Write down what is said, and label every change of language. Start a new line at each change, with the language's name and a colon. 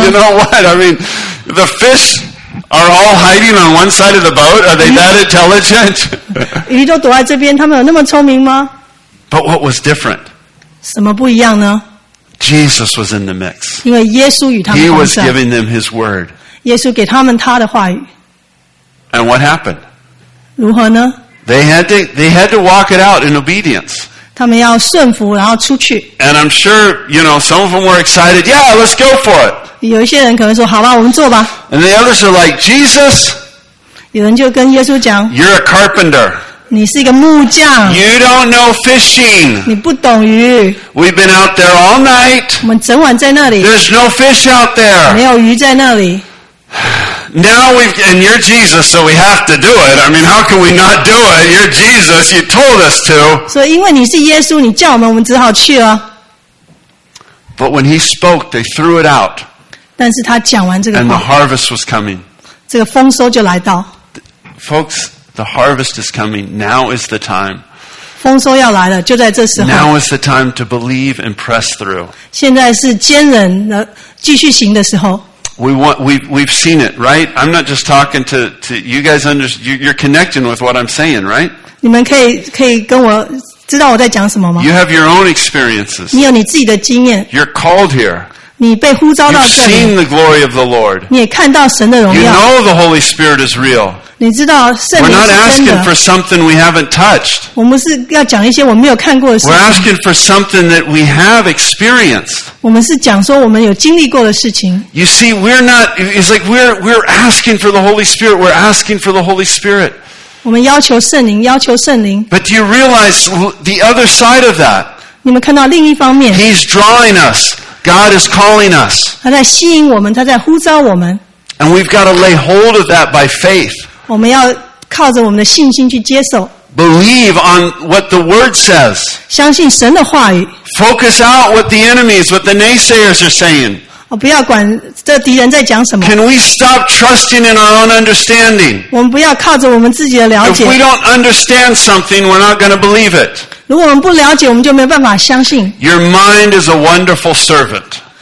English: boat, you know what I mean the fishAre all hiding on one side of the boat? Are they that intelligent?
Chinese: 鱼都躲在这边，他们有那么聪明吗？
English: But what was different?
Chinese: 什么不一样呢？
English: Jesus was in the mix.
Chinese: 因为耶稣与他们同在。
English: He was giving them his word.
Chinese: 耶稣给他们他的话语。
English: And what happened?
Chinese: 如何呢？
English: They had to walk it out in obedience.
Chinese: 他们要顺服，然后出去。
English: And I'm sure, you know, some of them were excited. Yeah, let's go for it.
Chinese: 有一些人可能说，好吧，我们做吧。
English: And the others are like, Jesus.
Chinese: 有人就跟耶稣讲
English: ，You're a carpenter.
Chinese: 你是一个木匠。
English: You don't know fishing.
Chinese: 你不懂鱼。
English: We've been out there all night.
Chinese: 我们整晚在那里。
English: There's no fish out there.
Chinese: 没有鱼在那里。
English: Now we've, and you're Jesus, so we have to do it. I mean, how can we not do it? You're Jesus, you told us to.
Chinese: So, 因为你是耶稣，你叫我们，我们只好去了。
English: But when he spoke, they threw it out.
Chinese: 但是他讲完这个话。
English: And the harvest was coming.
Chinese: 这个丰收就来到。
English: Folks, the harvest is coming. Now is the time.
Chinese: 丰收要来了，就在这时候。
English: Now is the time to believe and press through.
Chinese: 现在是坚忍的继续行的时候。
English: We've seen it, right? I'm not just talking to you guys. You're connecting with what I'm saying, right?
Chinese: 你们可以跟我知道我在讲什么吗
English: ？You have your own experiences.
Chinese: 你有你自己的经验。
English: You're called here.
Chinese: 你被呼召到这里。
English: You've seen the glory of the Lord.
Chinese: 你也看到神的荣耀。
English: You know the Holy Spirit is real.
Chinese: 你知道圣灵是真的。
English: We're not asking for something we haven't touched.
Chinese: 我们是要讲一些我没有看过的事情。
English: We're asking for something that we have experienced.
Chinese: 我们是讲说我们有经历过的事情。
English: You see, we're not. It's like we're asking for the Holy Spirit. We're asking for the Holy Spirit.
Chinese: 我们要求圣灵，要求圣灵。
English: But do you realize the other side of that?
Chinese: 你们看到另一方面。
English: He's drawing us. God is calling us.
Chinese: 他在吸引我们，他在呼召我们。
English: And we've got to lay hold of that by faith.
Chinese: 我们要靠着我们的信心去接受。
English: Believe on what the word says.
Chinese: 相信神的话语。
English: Focus out what the enemies, what the naysayers are saying. Can we stop trusting in our own understanding? If we don't understand something, we're not going to believe it. Your mind is a wonderful servant.